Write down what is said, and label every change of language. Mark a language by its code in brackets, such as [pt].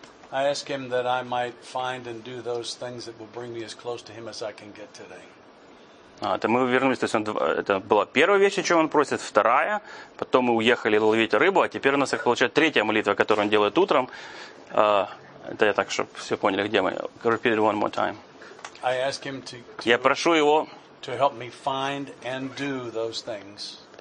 [en] I ask him that I might find and do those things that will bring me as close to him as I can get today. [ru] Это мы вернулись, то есть это была первая вещь, о чем он просит, вторая, потом мы уехали ловить рыбу, а теперь у нас, как получается, третья молитва, которую он делает утром. Это я так, чтобы все поняли, где мы. [en] Repeat it one more time. I ask him to, [ru] я прошу его [en] to help me find and do those things.